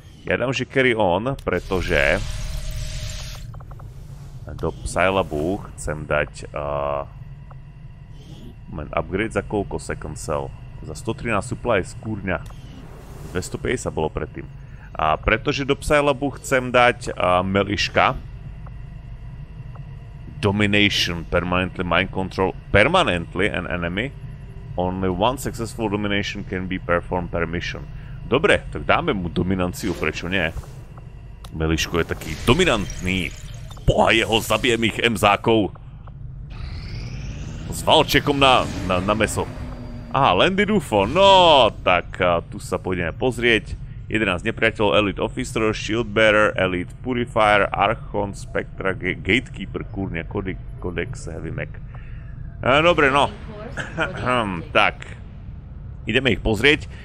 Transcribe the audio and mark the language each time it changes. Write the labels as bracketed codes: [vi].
[sk] Ja dám, že [en] carry on, [sk] pretože do Psylabu chcem dať upgrade za koľko second cell? Za 113 supplies, kúrňa. 250 bolo predtým. A pretože do Psylabu chcem dať Meliška. [en] Domination, permanently mind control, permanently an enemy. Only one successful domination can be performed per mission. [sk] Dobre, tak dáme mu dominanciu, prečo nie? Meliško je taký dominantný. Boha jeho, zabijem ich emzákov. s valčekom na meso. Aha, Landy Dufo, no, tak tu sa pôjdeme pozrieť. 11 nepriateľov, Elite Officer, Shieldbearer, Elite Purifier, Archon, Spectra, Gatekeeper, kurňa, Codex, Heavy Mac. Dobre, no. Tak. Ideme ich pozrieť.